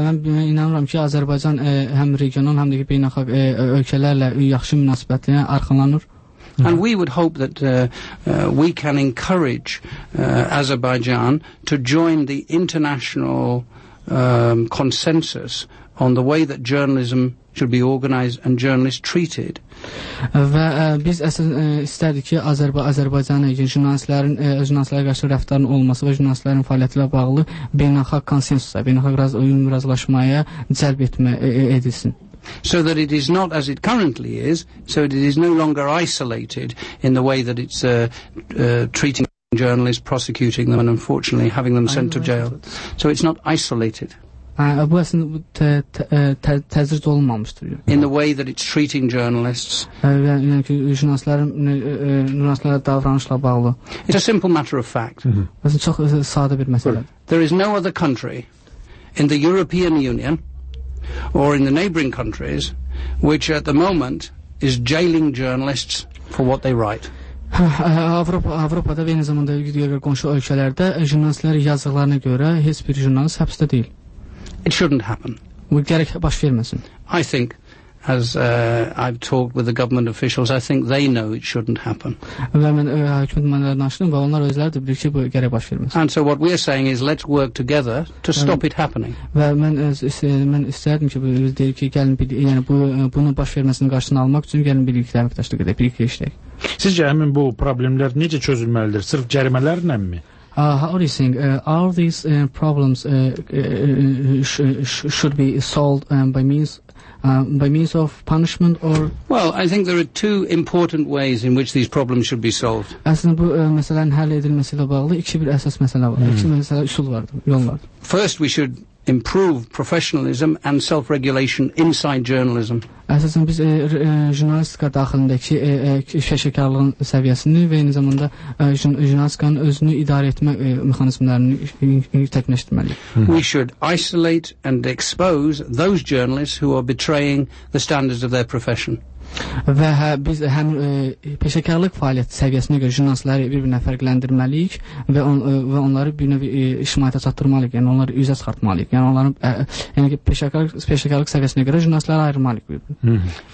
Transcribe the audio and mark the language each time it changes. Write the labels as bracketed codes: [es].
[az] Mən inanıram ki Azərbaycan həm regional həm də beynəlxalq ölkələrlə yaxşı münasibətlərə arxalanır. [en] And we would hope that we can encourage Azerbaijan to join the international consensus on the way that journalism should be organized and journalists treated. [az] Və biz əsasən istərdik ki Azərbaycan jurnalistlərin jurnalistlərə qarşı rəftarın olması və jurnalistlərin fəaliyyəti ilə bağlı beynəlxalq konsensusa, beynəlxalq razılaşmaya cəlb etmə edilsin. [en] So that it is not as it currently is, so it is no longer isolated in the way that it's treating journalists, prosecuting them and unfortunately having them sent to jail. So it's not isolated. [az] Bu aslında təzrid olunmamışdır. [en] In the way that it's treating journalists. [az] Yəni ki, jurnalistlərə davranışla bağlı. [en] It's a simple matter of fact. [az] Çox sadə bir məsələdir. [en] There is no other country in the European Union or in the neighboring countries which at the moment is jailing journalists for what they write. [az] Avropada və eyni zamanda digər qonşu ölkələrdə jurnalistlər yazdıqlarına görə heç bir jurnalist həbsdə deyil. [en] It shouldn't happen. [az] Bu gərək baş verməsin. [en] I think, as I've talked with the government officials, I think they know it shouldn't happen. [az] Mən hökumət nümayəndələrinə danışdım və onlar özləri də bilir ki, bu gərək baş verməsin. [en] And so what we are saying is let's work together to stop it happening. [az] Və mən istərdim ki, biz deyirik ki, gəlin yəni bunun baş verməsini qarşısını almaq üçün gəlin birlikdə əməkdaşlıq edək, birlikdə işləyək. Sizcə həmin bu problemlər necə çözülməlidir? Sırf cərimələrlə mi? [en] How do you think all these problems should be solved by means of punishment or? Well, I think there are two important ways in which these problems should be solved. [az] Aslında bu məsələnin həll edilməsi ilə bağlı iki bir əsas məsələ var. İki məsələ üsul vardır, yol var. [en] First, we should improve professionalism and self-regulation inside journalism. [az] Əsasən biz jurnalistika daxilindəki peşəkarlığın səviyyəsini və eyni zamanda jurnalistikanın özünü idarə etmə mexanizmlərini təkmilləşdirməliyik. [en] We should isolate and expose those journalists who are betraying the standards of their profession. [az] Və biz həm peşəkarlıq fəaliyyəti səviyyəsinə görə jurnalistləri bir-birinə fərqləndirməliyik və onları bir növ şimayətə çatdırmalıyıq, yəni onları üzə çıxartmalıyıq, yəni onların yəni peşəkarlıq səviyyəsinə görə jurnalistləri ayırmalıyıq.